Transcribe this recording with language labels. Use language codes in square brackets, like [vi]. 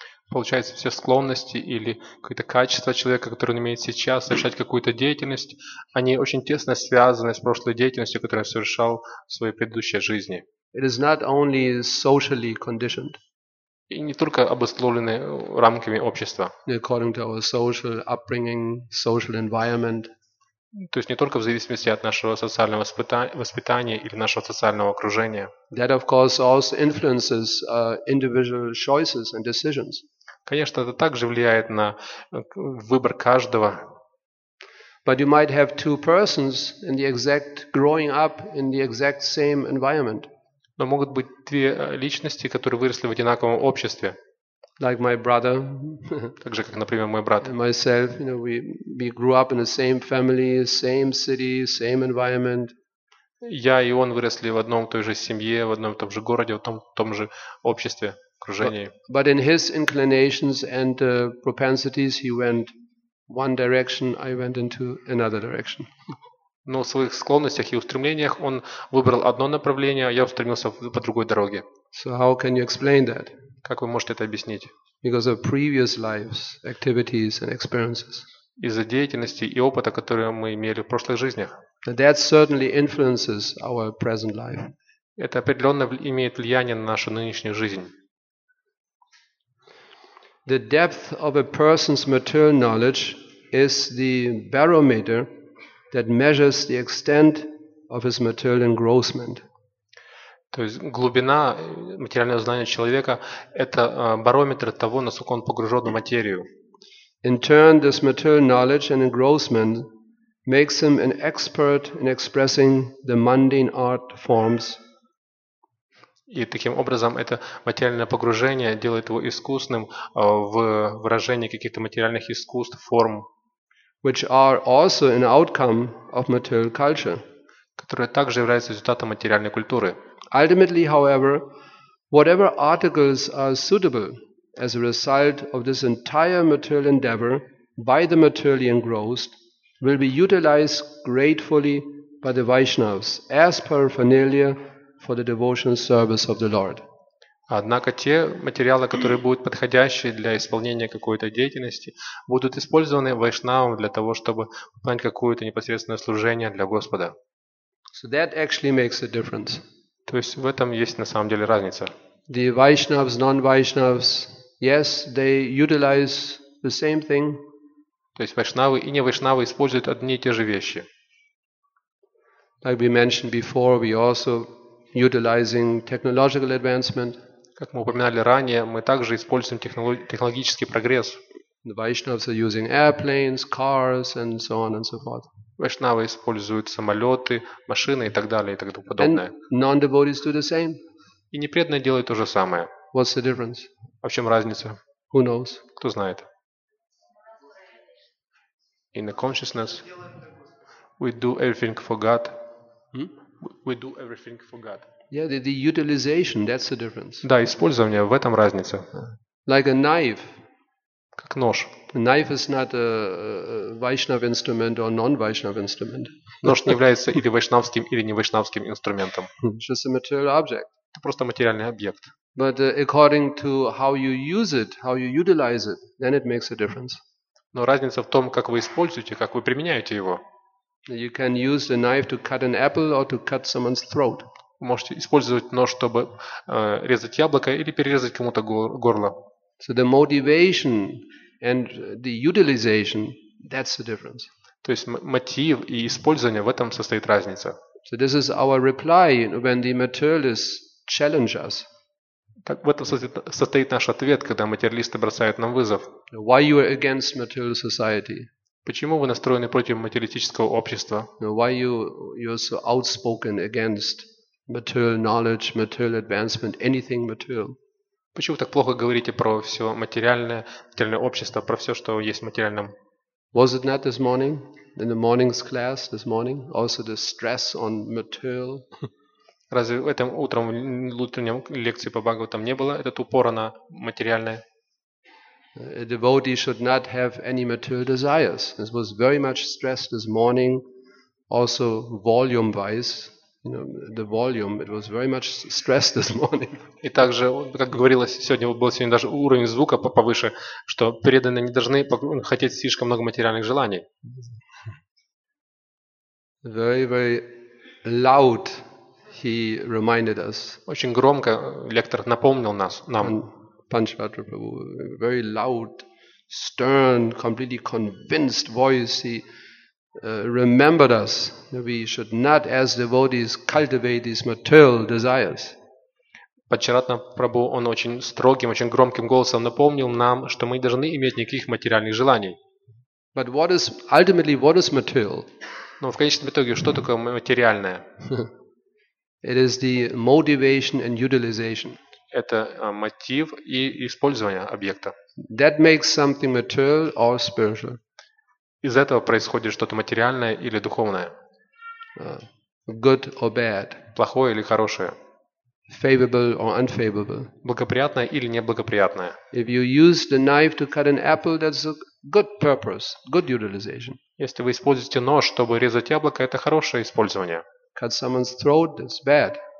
[ru] Получается, все склонности или какое-то качество человека, которое он имеет сейчас, совершать какую-то деятельность, они очень тесно связаны с прошлой деятельностью, которую он совершал в своей предыдущей жизни. [en] It is not only socially conditioned. [ru] И не только обусловлены рамками общества. [en] According to our social upbringing, social environment. [ru] То есть не только в зависимости от нашего социального воспитания или нашего социального окружения. [en] That of course also influences individual choices and decisions. [ru] Конечно, это также влияет на выбор каждого. [en] But you might have two persons in the exact growing up in the exact same environment. [ru] Но могут быть две личности, которые выросли в одинаковом обществе. [en] Like my brother. [ru] Так же, как, например, мой брат. [en] And myself, you know, we grew up in the same family, same city, same environment. [ru] Я и он выросли в одном той же семье, в одном том же городе, в том же обществе, окружении. [en] But in his inclinations and propensities, he went one direction, I went into another direction. [ru] Но в своих склонностях и устремлениях он выбрал одно направление, а я устремился по другой дороге. [en] So how can you explain that? [ru] Как вы можете это объяснить? [en] Because of previous lives, activities and experiences. [ru] Из-за деятельности и опыта, которые мы имели в прошлых жизнях. [en] That certainly influences our present life. [ru] Это определенно имеет влияние на нашу нынешнюю жизнь. [en] The depth of a person's material knowledge is the barometer that measures the extent of his material engrossment. [ru] То есть глубина материального знания человека – это барометр того, насколько он погружен в материю. [en] In turn, this material knowledge and engrossment makes him an expert in expressing the mundane art forms. [ru] И таким образом это материальное погружение делает его искусным в выражении каких-то материальных искусств, форм, [en] which are also an outcome of material culture, [ru] которые также являются результатом материальной культуры. [en] Ultimately, however, whatever articles are suitable as a result of this entire material endeavor by the materially engrossed will be utilized gratefully by the Vaishnavas as paraphernalia for the devotional service of the Lord. [ru] Однако те материалы, которые будут подходящие для исполнения какой-то деятельности, будут использованы вайшнавам для того, чтобы выполнять какое-то непосредственное служение для Господа. [en] So that actually makes a difference. [ru] То есть в этом есть на самом деле разница. [en] The Vaishnavas, non-Vaishnavas, yes, they utilize the same thing. [ru] То есть вайшнавы и не вайшнавы используют одни и те же вещи. [en] Like we mentioned before, we also utilizing technological advancement. [ru] Как мы упоминали ранее, мы также используем технологический прогресс. [en] The Vaishnavas are using airplanes, cars, and so on and so forth. [ru] Вайшнавы используют самолеты, машины и так далее и так подобное. [en] And non-devotees do the same. [ru] И непреданные делают то же самое. [en] What's the difference? [ru] А в чем разница? [en] Who knows? [ru] Кто знает? [en] In the consciousness, we do everything for God. We do everything for God. Yeah, the utilization, that's the difference. [ru] Да, использование, в этом разница. [en] Like a knife. [ru] Как нож. [en] A knife is not a Vaishnava instrument or non-Vaishnava instrument. [ru] Нож не является или вайшнавским, или не вайшнавским инструментом. [en] It's just a material object. [ru] Это просто материальный объект. [en] But according to how you use it, how you utilize it, then it makes a difference. [ru] Но разница в том, как вы используете, как вы применяете его. [en] You can use the knife to cut an apple or to cut someone's throat. [ru] Можете использовать нож, чтобы резать яблоко или перерезать кому-то горло. [en] So the motivation and the utilization, that's the difference. [ru] То есть мотив и использование, в этом состоит разница. [en] So this is our reply when the materialists challenge us. [ru] Так в этом состоит наш ответ, когда материалисты бросают нам вызов. [en] Why you are against material society? [ru] Почему вы настроены против материалистического общества? [en] Why you are so outspoken against material knowledge, material advancement, anything material? [ru] Почему вы так плохо говорите про все материальное, материальное общество, про все, что есть в материальном? [en] Was it not this morning, in the morning's class, this morning, also the stress on material? [ru] Разве этим утром в утреннем лекции по Бхагаватам не было этот упор на материальное? [en] A devotee should not have any material desires. This was very much stressed this morning, also volume-wise. You know, the volume, it was very much stressed this morning. [ru] И также, как говорилось сегодня, был сегодня даже уровень звука повыше, что преданные не должны хотеть слишком много материальных желаний. [en] Very, very loud, he reminded us. [ru] Очень громко лектор напомнил нас, нам. [en] Панчватра Прабху, very loud, stern, completely convinced voice, he remembered us that we should not, as devotees, cultivate these material desires. [ru] Панчватра Прабху, он очень строгим, очень громким голосом напомнил нам, что мы не должны иметь никаких материальных желаний. [en] But what is, ultimately, what is material? [ru] Но в конечном итоге, что такое материальное? [en] It is the motivation and utilization. [ru] Это мотив и использование объекта. [en] That makes something material or spiritual. [ru] Из этого происходит что-то материальное или духовное. [en] Good or bad. [ru] Плохое или хорошее. [en] Favorable or unfavorable. [ru] Благоприятное или неблагоприятное. [en] If you use the knife to cut an apple, that's a good purpose, good utilization. [ru] Если вы используете нож, чтобы резать яблоко, это хорошее использование. [en] Cut someone's throat, that's bad.